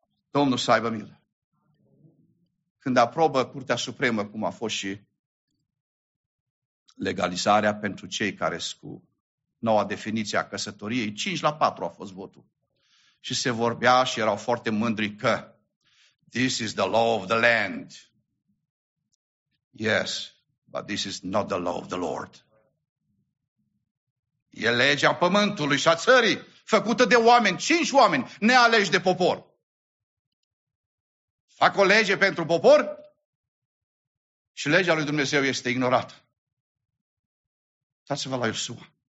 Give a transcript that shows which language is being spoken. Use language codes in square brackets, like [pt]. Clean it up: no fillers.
[ro] Domnul să aibă milă. Când aprobă Curtea Supremă, cum a fost și legalizarea pentru cei care sunt cu noua definiție a căsătoriei, 5-4 a fost votul. Și se vorbea și erau foarte mândri că [en] this is the law of the land. Yes, but this is not the law of the Lord. [ro] E legea pământului și a țării, făcută de oameni, 5 oameni, nealeși de popor. Fac o lege pentru popor și legea lui Dumnezeu este ignorată. Uitați-vă la Iosua.